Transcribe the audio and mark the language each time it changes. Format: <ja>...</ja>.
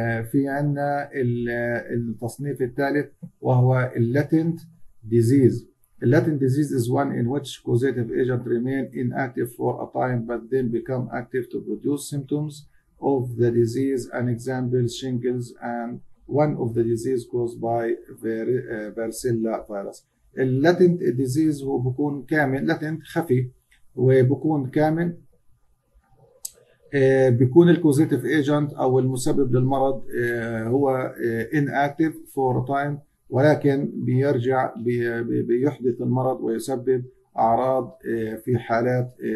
<ar>في عندنا التصنيف الثالث وهو اللاتنت ديزيز.</ar> <en>اللاتنت disease is one in which causative agent remain inactive for a time but then become active to produce symptoms of the disease. An example shingles and one of the disease caused by varicella virus.</en> <ar>اللاتنت ديزيز هو بكون كامل، لاتنت خفي وبكون كامل، بيكون الكوزيتيف ايجنت او المسبب للمرض هو</ar> <en>ان active for time,</en> <ar>ولكن بيرجع بيحدث المرض ويسبب اعراض في حالات</ar>